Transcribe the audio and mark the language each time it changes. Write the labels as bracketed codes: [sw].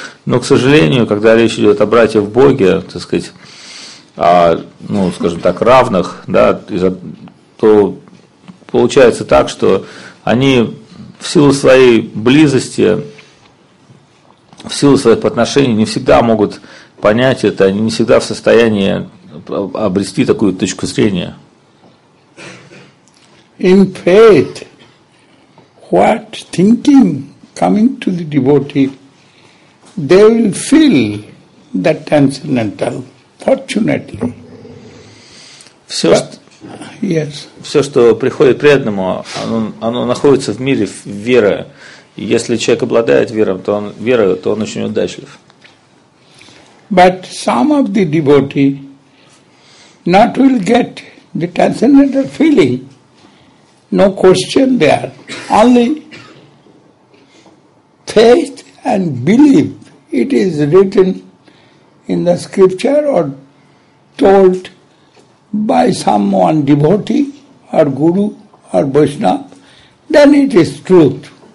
[ru] Но, к сожалению, когда речь идет о братьях в Боге, так сказать, о, ну, скажем так, равных, да, то получается так, что они в силу своей близости, в силу своих отношений не всегда могут понять это, они не всегда в состоянии обрести такую точку зрения. [en] In faith, what thinking coming to the devotee, they will feel that transcendental, fortunately. [ru] Все, [en] but, [ru] что, [en] yes. [ru] Все, что приходит преданному, оно находится в мире веры. Если человек обладает верой, то он очень удачлив. [en] But some of the devotee not will get the transcendental feeling, no question there, only faith and belief. It is written in the scripture or told by someone, devotee or guru or Vaishnava, then it is truth.